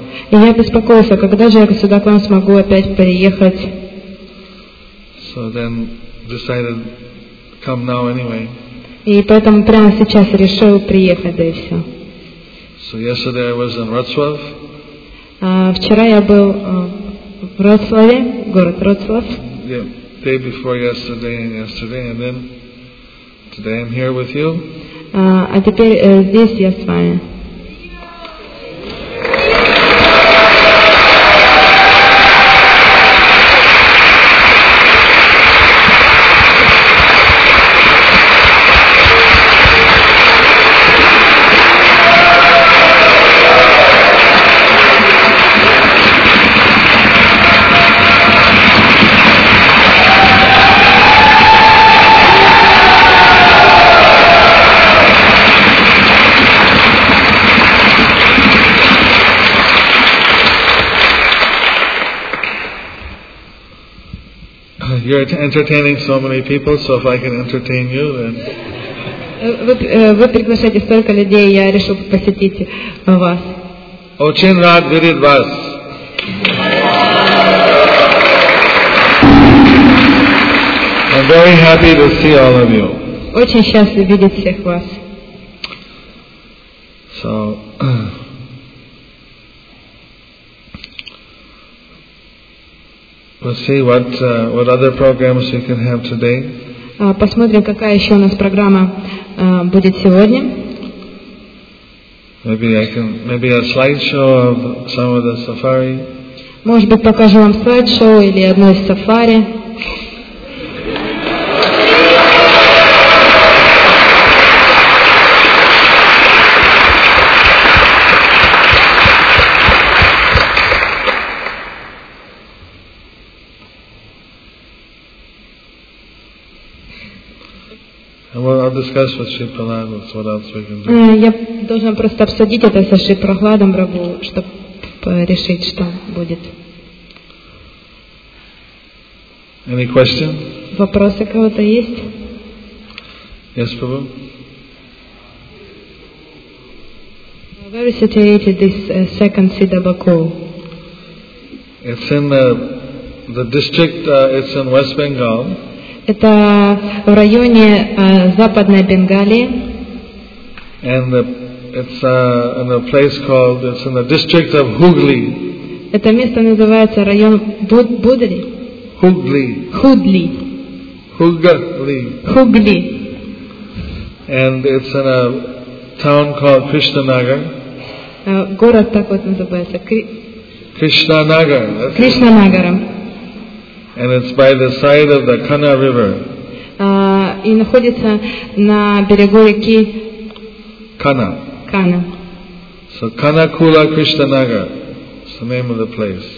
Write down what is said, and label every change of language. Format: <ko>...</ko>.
<ru>И я беспокоился, когда же я сюда к вам смогу опять приехать.</ru> <en>So then decided come now anyway.</en> <ru>И поэтому прямо сейчас решил приехать, да и все.</ru> <en>So yesterday I was in Wroclaw.</en> <ru>Вчера я был в Вроцлаве, город Вроцлав.</ru> <en>Yeah. Day before yesterday and yesterday, and then today I'm here with you.</en> <ru>А теперь здесь я с вами.</ru> <en>You're entertaining so many people, so if I can entertain you, then.</en> <ru>Вы приглашаете столько людей, я решил посетить вас. Очень рад видеть вас.</ru> <en>I'm very happy to see all of you.</en> <ru>Очень счастлив видеть всех вас.</ru> <en>So, we'll see what other programs we can have today.</en> <ru>Посмотрим, какая еще у нас программа будет сегодня.</ru> <en>Maybe a slideshow of some of the safari.</en> <ru>Может быть, покажу вам слайд-шоу или одно из сафари.</ru> <en>Discuss with Shri Prahlad what else we can do.</en> <ru>Я должен просто обсудить это со Шри Прахладом Рабу, чтобы решить, что будет.</ru> <en>Any question?</en> <ru>Вопросы кого-то есть?</ru> <en>Yes, Prabhu. Where is situated this second Siddha Bakul? It's in the district. It's in West Bengal.</en> <ru>Это в районе Западной Бенгалии.</ru> <en>And it's in a place called, it's in the district of Hooghly.</en> <ru>Это место называется район Будли.</ru> <en>Hooghly. Hooghly. Hooghly. Hooghly. And it's in a town called Krishnanagar.</en> <ru>Город так вот называется.</ru> <en>Krishnanagar.</en> <ru>Krishnanagaram.</ru> <en>And it's by the side of the Kana River.</en> <ru>И находится на берегу реки</ru> <en>Kana.</en> <ru>Kana.</ru> <en>So Kanakula Krishnanagar is the name of the place.</en>